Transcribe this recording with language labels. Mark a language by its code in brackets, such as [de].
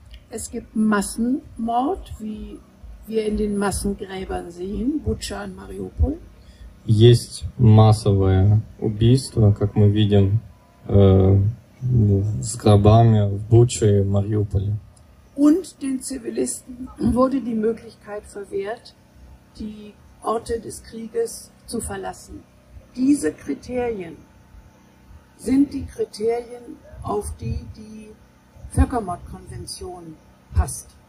[de] Es gibt Massenmord, wie wir in den Massengräbern sehen, Bucha und Mariupol. [ru] Есть массовое убийство, как мы видим, с гробами в Буче и Мариуполе. [de] Und den Zivilisten wurde die Möglichkeit verwehrt, die Orte des Krieges zu verlassen. Diese Kriterien sind die Kriterien, auf die die Völkermordkonvention passt.